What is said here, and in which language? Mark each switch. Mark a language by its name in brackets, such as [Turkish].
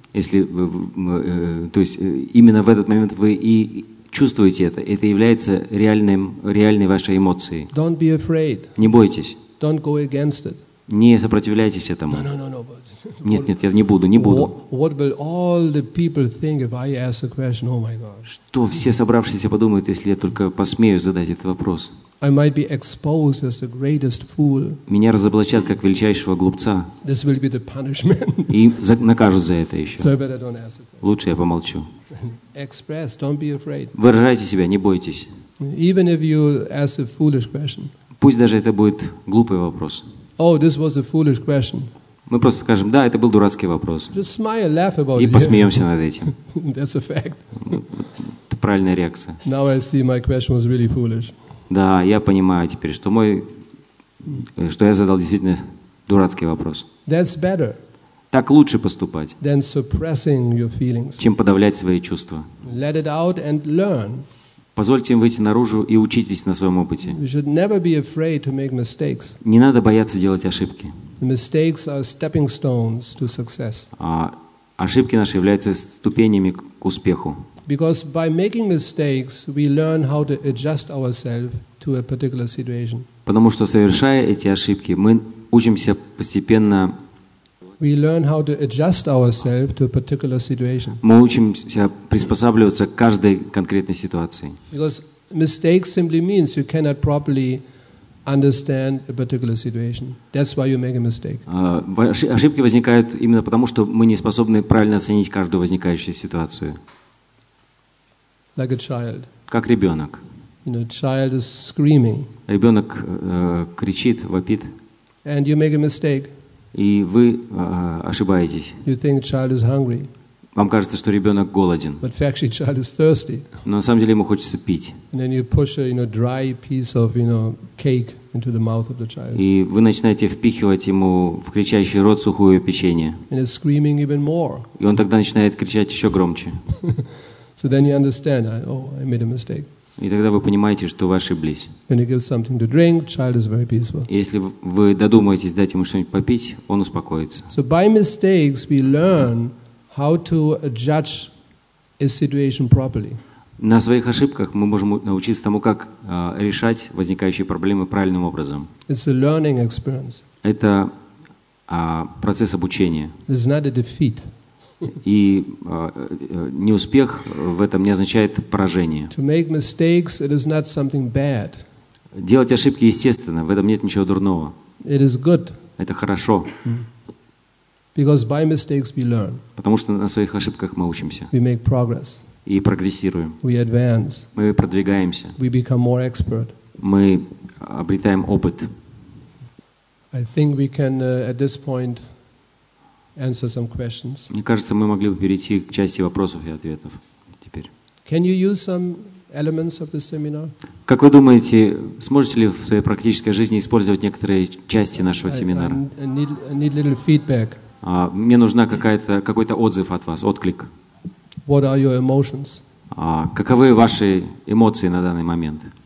[Russian] Если вы, то есть именно в этот момент вы и чувствуете это является реальной вашей эмоцией. [English] Don't be afraid. [Russian] Не бойтесь. [English] Don't go against it. [Russian] Не сопротивляйтесь этому. [English] No, but... [Russian] Нет, я не буду. [English] What will all the people think if I ask a question? Oh my God. [Russian] Что все собравшиеся подумают, если я только посмею задать этот вопрос? [English] I might be exposed as the greatest fool. [Russian] Меня разоблачат как величайшего глупца. [English] This will be the punishment. [Russian] И накажут за это еще. [English] So I better don't ask a question. [Russian] Лучше я помолчу. [English] Express, don't be afraid. [Russian] Выражайте себя, не бойтесь. [English] Even if you ask a foolish question. [Russian] Пусть даже это будет глупый вопрос. [English] Oh, this was a foolish question. [Russian] Мы просто скажем, да, это был дурацкий вопрос. [English] Just smile, laugh about it. [Russian] И посмеемся над этим. [English] That's a fact. [Russian] Это правильная реакция. [English] Now I see my question was really foolish. [Russian] Да, я понимаю теперь, что мой, что я задал действительно дурацкий вопрос. [English] That's better. [Russian] Так лучше поступать, [English] than suppressing your feelings. [Russian] Чем подавлять свои чувства. [English] Let it out and learn. [Russian] Позвольте им выйти наружу и учитесь на своем опыте. [English] You should never be afraid to make mistakes. [Russian] Не надо бояться делать ошибки. [English] The mistakes are stepping stones to success. [Russian] А ошибки наши являются ступенями к успеху. [English] Because by making mistakes, we learn how to adjust ourselves to a particular situation. [Russian] Потому что совершая эти ошибки, мы учимся постепенно. [English] We learn how to adjust ourselves to a particular situation. [Russian] Мы учимся приспосабливаться к каждой конкретной ситуации. [English] Because mistake simply means you cannot properly understand a particular situation. That's why you make a mistake. [Russian] Ошибки возникают именно потому, что мы не способны правильно оценить каждую возникающую ситуацию. [English] Like a child. [Russian] Как ребенок. [English] You know, child is screaming. [Russian] Ребенок кричит, вопит. [English] And you make a mistake. [Russian] И вы ошибаетесь. [English] You think child is hungry. [Russian] Вам кажется, что ребенок голоден. [English] But actually, child is thirsty. [Russian] Но на самом деле ему хочется пить. [English] And then you push a, you know, dry piece of, you know, cake into the mouth of the child. [Russian] И вы начинаете впихивать ему в кричащий рот сухое печенье. [English] And he's screaming even more. [Russian] И он тогда начинает кричать еще громче. [English] So then you understand, oh, I made a mistake. [Russian] И тогда вы понимаете, что вы ошиблись. [English] When you give something to drink, child is very peaceful. [Russian] Если вы додумаетесь дать ему что-нибудь попить, он успокоится. [English] So by mistakes we learn how to judge a situation properly. [Russian] На своих ошибках мы можем научиться тому, как решать возникающие проблемы правильным образом. [English] It's a learning experience. [Russian] Это процесс обучения. [English] It's not a defeat. [Russian] И неуспех в этом не означает поражение. [English] To make mistakes, it is not something bad. [Russian] Делать ошибки естественно, в этом нет ничего дурного. [English] It is good. [Russian] Это хорошо. [English] Because by mistakes we learn. [Russian] Потому что на своих ошибках мы учимся. [English] We make progress. [Russian] И прогрессируем. [English] We advance. [Russian] Мы продвигаемся. [English] We become more expert. [Russian] Мы обретаем опыт. [English] I think we can at this point answer some questions. [Russian] Мне кажется, мы могли бы перейти к части вопросов и ответов теперь. [English] Can you use some elements of the seminar? [Russian] Как вы думаете, сможете ли в своей практической жизни использовать некоторые части нашего семинара? [English] I need little feedback. [Russian] Мне нужна какой-то отзыв от вас, отклик. [English] What are your emotions? [Russian] Каковы ваши эмоции на данный момент?